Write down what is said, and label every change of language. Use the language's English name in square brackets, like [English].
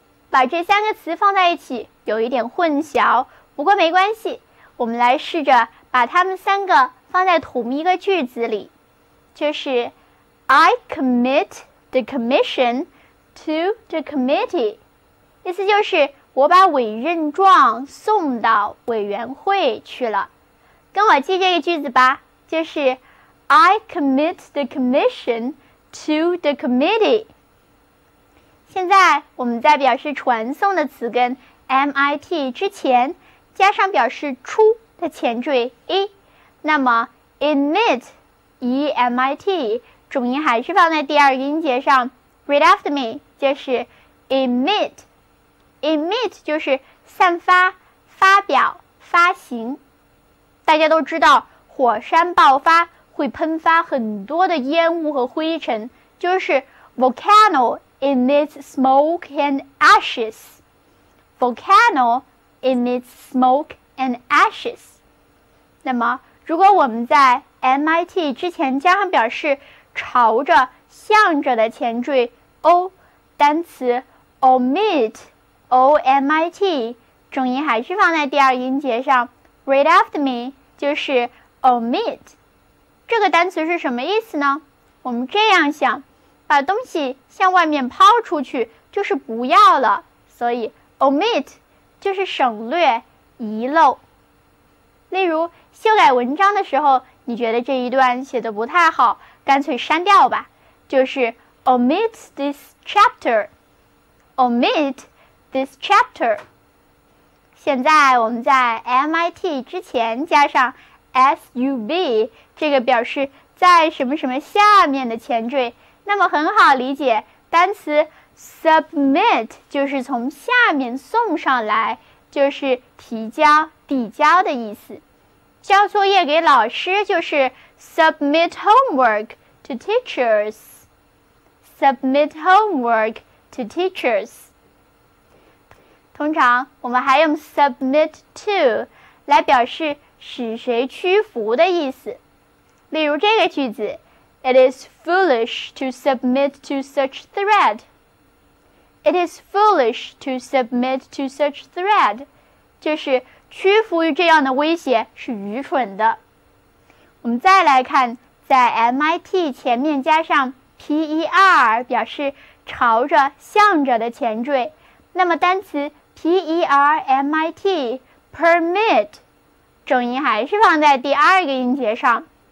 [Chinese] 把这三个词放在一起有一点混淆，不过没关系，我们来试着把它们三个放在同一个句子里，就是 [English] I commit the commission to the committee， [Chinese] 意思就是我把委任状送到委员会去了。跟我记这个句子吧，就是 [English] I commit the commission to the committee。 [Chinese] 现在我们在表示传送的词根 MIT 之前加上表示出的前缀 E， 那么 emit E-M-I-T 重音还是放在第二个音节上。 [English] read after me [Chinese] 就是 emit， emit 就是散发、发表、发行。大家都知道火山爆发会喷发很多的烟雾和灰尘，就是 [English] volcano emits smoke and ashes， [Chinese] volcano emits smoke and ashes。那么如果我们在 MIT 之前加上表示朝着、向着的前缀 o，单词 omit O-M-I-T 重音还是放在第二音节上。 [English] read after me [Chinese] 就是 [English] omit。 [Chinese] 这个单词是什么意思呢？我们这样想，把东西向外面抛出去就是不要了，所以 omit 就是省略、遗漏。例如修改文章的时候，你觉得这一段写得不太好，干脆删掉吧，就是 [English] omit this chapter， omit this chapter。 [Chinese] 现在我们在 MIT 之前加上 SUB， 这个表示在什么什么下面的前缀，那么很好理解，单词 submit 就是从下面送上来，就是提交、递交的意思。交作业给老师就是 [English] submit homework to teachers，Submit homework to teachers。 [Chinese] 通常我们还用 submit to 来表示使谁屈服的意思。例如这个句子， [English] It is foolish to submit to such threat， It is foolish to submit to such threat， [Chinese] 就是屈服于这样的威胁是愚蠢的。我们再来看在 MIT 前面加上per 表示朝着、向着的前缀，那么单词 permit， permit 重音还是放在第二个音节上。